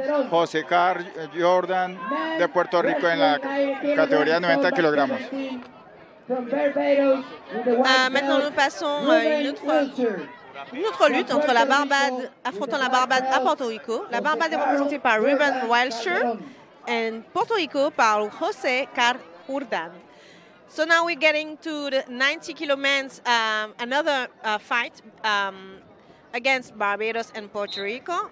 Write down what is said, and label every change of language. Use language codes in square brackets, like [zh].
[es] José Carlos Jordan de Puerto Rico en la categoría 90 kilogramos. [fr] Maintenant nous passons à une autre lutte entre la Barbade affrontant la Barbade à Porto Rico. La Barbade est représentée par Ruben Wilcher et Porto Rico par José Car Jordan. [en] So now we're getting to the 90 kilo men's another fight against Barbados and Puerto Rico.